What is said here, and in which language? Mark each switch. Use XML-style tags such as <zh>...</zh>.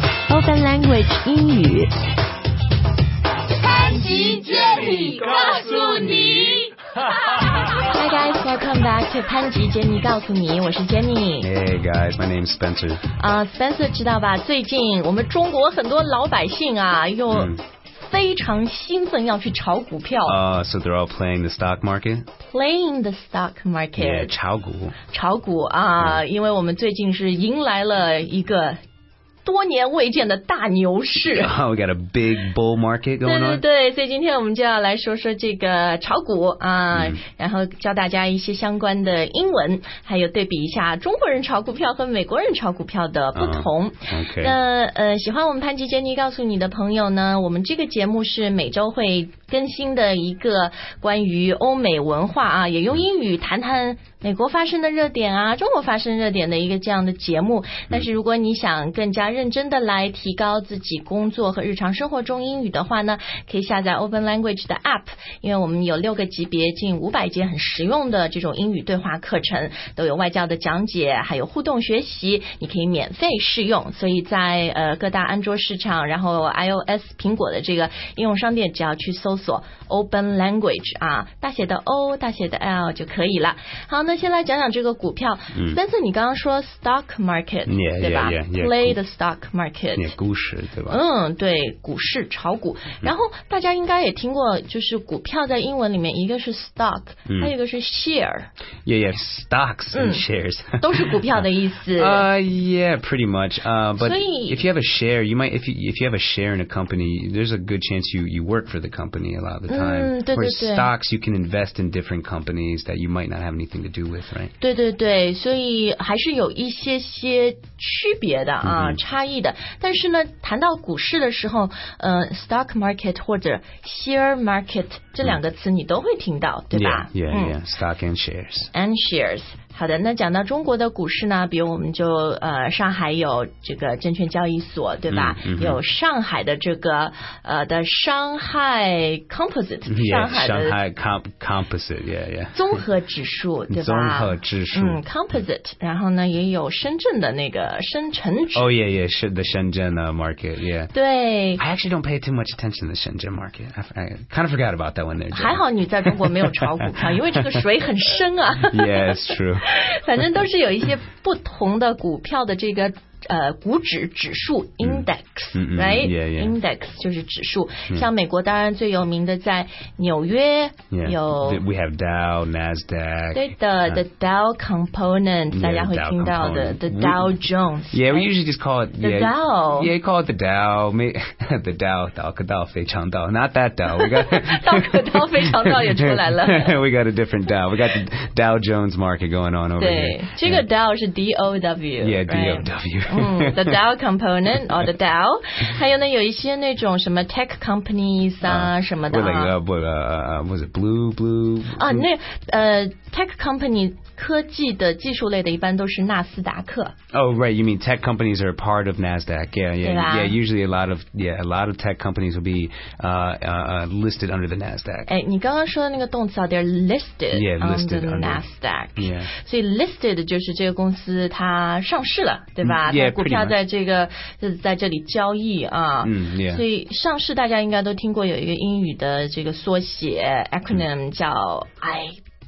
<zh>Open Language 英语。潘吉接你，告诉你。</zh> <en>Hi guys, welcome back to 潘吉接你告诉你，</en> <zh>我是</zh> <en>Jenny. Hey guys, my name is Spencer.</en> <zh>Spencer 知道吧？最近我们中国很多老百姓啊，又非常兴奋要去炒股票。</zh> <en>So they're all playing the stock market? Playing the stock market.</en> <zh>Yeah, 炒股。炒股啊，因为我们最近是迎来了一个多年未见的大牛市。</zh> <en>We got a big bull market going on.</en> <zh>对对对，所以今天我们就要来说说这个炒股啊，然后教大家一些相关的英文，还有对比一下中国人炒股票和美国人炒股票的不同。</zh> <en>Okay.</en> <zh>那喜欢我们潘吉接你告诉你的朋友呢，我们这个节目是每周会更新的一个关于欧美文化啊，也用英语谈谈美国发生的热点啊，中国发生热点的一个这样的节目。但是如果你想更加认真的来提高自己工作和日常生活中英语的话呢，可以下载 Open Language 的 App， 因为我们有六个级别，近500节很实用的这种英语对话课程，都有外教的讲解，还有互动学习，你可以免费试用。所以在各大安卓市场，然后 iOS 苹果的这个应用商店，只要去搜索 Open Language 啊，大写的 O 大写的 L 就可以了。好，那先来讲讲这个股票。 Spencer， 你刚刚说 stock market，</zh> <en>yeah,</en> <zh>对吧</zh> <en>yeah, play the stock market，</en> <zh>yeah, 股市对吧？对，股市炒股。然后大家应该也听过，就是股票在英文里面一个是 stock，还有一个是 share。</zh> <en>Yeah, stocks and shares</en> <zh>都是股票的意思。</zh> <en>Pretty much. But if you have a share, you might if you have a share in a company, there's a good chance you work for the company. Company a lot of the time. Whereas stocks, you can invest in different companies that you might not have anything to do with, right?</en> <zh>对对对，所以还是有一些些区别的啊，差异的。但是呢，谈到股市的时候，stock market 或者 share market 这两个词你都会听到，对吧？</zh> <en>Yeah. Stock and shares. And shares.</en> <zh>好的，那讲到中国的股市呢，比如我们就上海有这个证券交易所，对吧？有上海的这个的上海 composite，上海 composite 综合指数，对吧？综合指数， composite， 然后呢也有深圳的那个深成指，是的，深圳的 market， yeah，对。</zh> <en>I actually don't pay too much attention to the 深圳 market. I kind of forgot about that one.</en> <zh>还好你在中国没有炒股票，因为这个水很深啊。</zh> <en>Yeah, it's true.</en> <zh>反正都是有一些不同的股票的这个股指指数 index， right？ index 就是指数。像美国当然最有名的在纽约有</zh> <en>we have Dow, Nasdaq，</en> <zh>对的 the Dow component， 大家会听到的 the Dow Jones。</zh> <en>Yeah, we usually just call it the Dow. Yeah, call it the Dow. The Dow，</en> <zh>道可道非常道</zh> <en>，not that Dow. We got</en> <zh>道可道非常道也出来了。</zh> <en>We got a different Dow. We got the Dow Jones market going on over here.</en> <zh>这个 Dow 是 D O W，</zh> <en>yeah，D O W。 the Dow component or the Dow，</en> <zh>还有呢，有一些那种什么 tech companies 啊什么的啊。</zh> <en>Blue</en> <zh>啊，那tech company 科技的技术类的，一般都是纳斯达克。</zh> <en>Oh right, you mean tech companies are a part of Nasdaq? Yeah. Usually a lot of tech companies will be listed under the Nasdaq.</en> <zh>哎，你刚刚说的那个动词啊 ，</zh> <en>they're listed. Listed under Nasdaq. Yeah.</en> <zh>所以 listed 就是这个公司它上市了，对吧？股票在这个在这里交易啊，所以上市大家应该都听过有一个英语的这个缩写 acronym 叫 IPO。</zh>